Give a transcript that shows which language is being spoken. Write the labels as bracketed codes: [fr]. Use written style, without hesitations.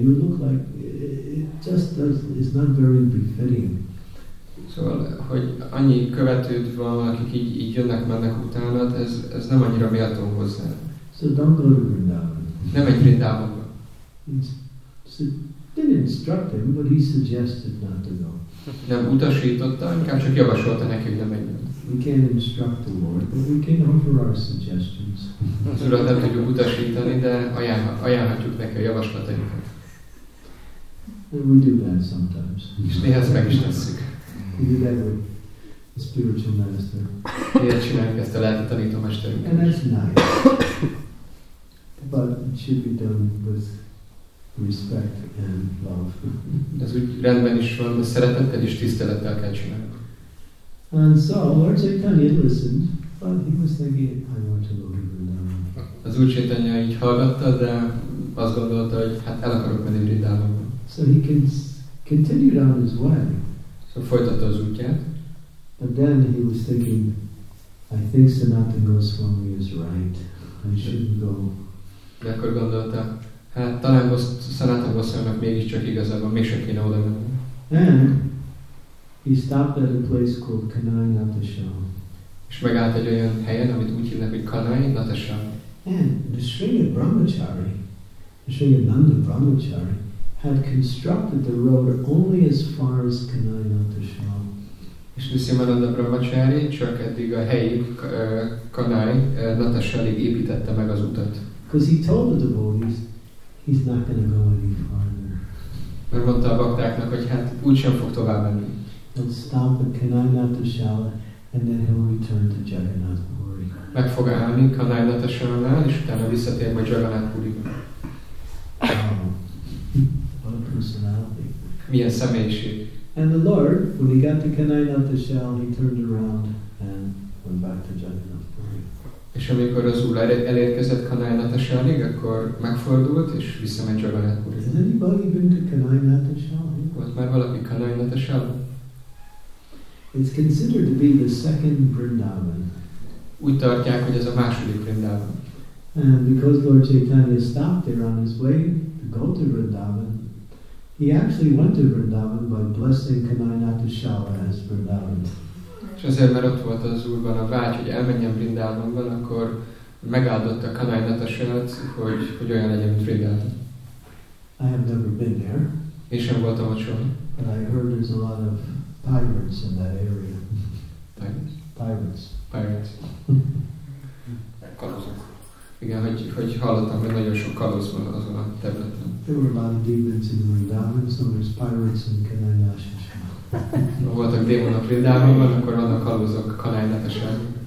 [en] You look like it just does. It's not very befitting. [hu] Szóval, hogy annyi követőd van, akik így jönnek, mennek utánad, ez nem annyira méltó hozzá. [en] So don't go to Vrindavan. [hu] Nem menj Vrindavanba. [en] Didn't instruct him, but he suggested not to go. [hu] Nem utasította, inkább csak javasolta neki, hogy ne menjen. [en] We can instruct the Lord, but we can offer our suggestions. [hu] Az Urat nem tudjuk utasítani, de ajánlhatjuk neki a javaslatainkat. [en] And we do that sometimes. [hu] És néha ezt meg is tesszük. [en] We do that with a spiritual master. [hu] Ilyet csináljuk ezt a lelki tanítómesterünk. [en] And that's nice. But it should be done with respect and love. [hu] Ez úgy rendben is van, de szeretettel és tisztelettel kell csinálni. [en] And so Lord Chaitanya listened, but he was thinking, I want to go to Vrindavan. [hu] Az Úr Chaitanya így hallgatta, de azt gondolta, hogy hát el akarok menni Vrindavanba. [en] So he continued on his way. So [hu] folytatta az útját. [en] But then he was thinking, I think Sanatan Goswami is right. I shouldn't go. [hu] De akkor gondolta, hát talán Sanatan Goswami-nak mégiscsak igazából mégsem kéne oda menni. [en] He stopped at a place called Kanai Natasham. [hu] És megállt egy olyan helyen, amit úgy hívnak, hogy Kanai Natasham. [en] And the Sringa Brahmachari, the Sringa Nanda Brahmachari, had constructed the road only as far as Kanai Natasham. [hu] És Nisima Nanda Brahmachari csak eddig a helyi Kanai Natashalig építette meg az utat. [en] Because he told the devotees, he's not going to go any farther. [hu] Mert mondta a baktáknak, hogy hát úgysem fog tovább menni. [en] He'll stop at Kanai Natashala and then he'll return to Jagannath Puri. [hu] Meg fog állni Kanai Natashala-nál, és utána visszatér majd Jagannath Puri-ba. [en] What a personality. [hu] Milyen személyiség. [en] And the Lord, when he got to Kanai Natashala, he turned around and went back to Jagannath Puri. [hu] És amikor az Úr elérkezett Kanai Natashala-ig, akkor megfordult, és visszament Jagannath Puri-ba. [en] Has anybody been to Kanai Natashala? [hu] Volt már valaki Kanai Natashala? [en] It's considered to be the second Vrindavan. [hu] Úgy tartják, hogy ez a második Vrindavan. [en] And because Lord Chaitanya stopped there on his way to go to Vrindavan, he actually went to Vrindavan by blessing Kanai Natashala as Vrindavan. [hu] És azért, mert ott volt az Úrban a vágy, hogy elmenjen Vrindavanban, akkor megáldotta Kanai Natashalát, hogy olyan legyen, mint Vrindavan. [en] I have never been there. [hu] Én sem voltam ott soha. [en] But I heard there's a lot of pirates in that area. Pirates. Pirates. [hu] Kalózok. Igen, hogy hallottam, hogy nagyon sok kalóz van azon a területen. [en] There were a lot of demons in Vrindavan, so there's pirates in Kanai Nashashan. [hu] Voltak démonok Vrindavanban, akkor vannak kalózok Kanai Nashashan.